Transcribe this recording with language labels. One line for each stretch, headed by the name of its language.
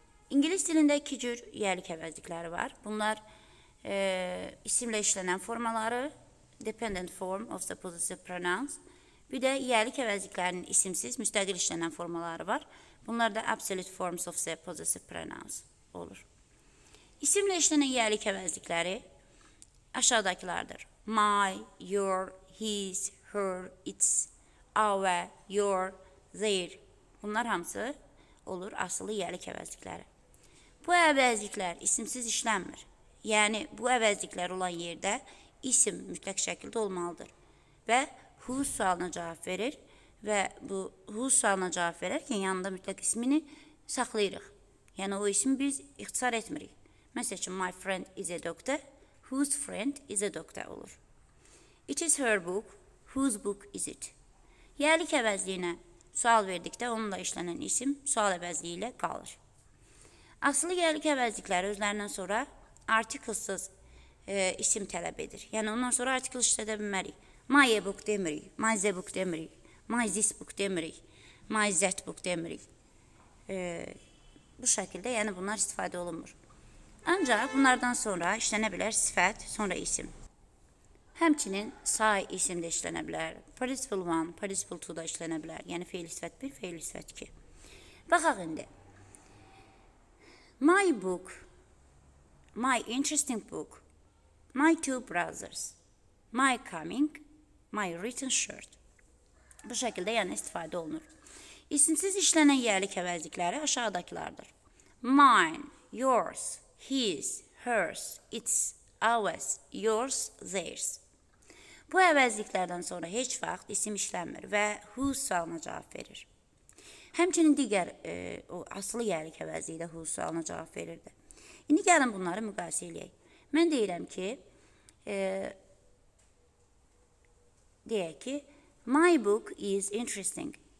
Azerbaijani: İngilis dilində iki cür yerlik əvəzlikləri var. Bunlar isimlə işlənən formaları,
English: dependent form of the possessive pronouns.
Azerbaijani: Bir də yerlik əvəzliklərinin isimsiz, müstəqil işlənən formaları var. Bunlar da
English: absolute forms of the possessive pronouns
Azerbaijani: olur. İsimlə işlənən yerlik əvəzlikləri aşağıdakılardır.
English: My, your, his, her, its, our, your, their.
Azerbaijani: Bunlar hamısı olur asılı yerlik əvəzlikləri. Bu əvəzliklər isimsiz işlənmir. Yəni, bu əvəzliklər olan yerdə isim mütləq şəkildə olmalıdır. Və who sualına cavab verir və bu who sualına cavab verərkən yanında mütləq ismini saxlayırıq. Yəni, o ismi biz ixtisar etmirik. Məsəl üçün,
English: my friend is a doctor. Whose friend is a doctor olur? It is her book. Whose book is it?
Azerbaijani: Yerlik əvəzliyinə sual verdikdə onunla işlənən isim sual əvəzliyi ilə qalır. Asılı yerlik əvəzlikləri özlərindən sonra artiklesiz isim tələb edir. Yəni ondan sonra artikl işlədə bilmərik.
English: My book
Azerbaijani: demirik,
English: my the book
Azerbaijani: demirik,
English: my this book
Azerbaijani: demirik,
English: my that book
Azerbaijani: demirik. Bu şəkildə yəni bunlar istifadə olunmur. Ancaq bunlardan sonra işlənə bilər sifət, sonra isim. Həmçinin say isim də işlənə bilər. Participle 1, participle 2 da işlənə bilər. Yəni feil sifət 1, feil sifət 2. Baxaq indi.
English: My book, my interesting book, my two brothers, my coming, my written shirt.
Azerbaijani: Bu şəkildə yəni istifadə olunur. İsimsiz işlənən yerlik əvəzlikləri aşağıdakılardır.
English: Mine, yours. His, hers, its, ours, yours, theirs.
Azerbaijani: Bu əvəzliklərdən sonra heç vaxt isim işlənmir və whose sualına cavab verir. Həmçinin digər o asılı yerlik əvəzliyi də whose sualına cavab verirdi. İndi gəlin bunları müqayisə eləyək. Mən deyirəm ki, deyək ki,
English: my book is interesting.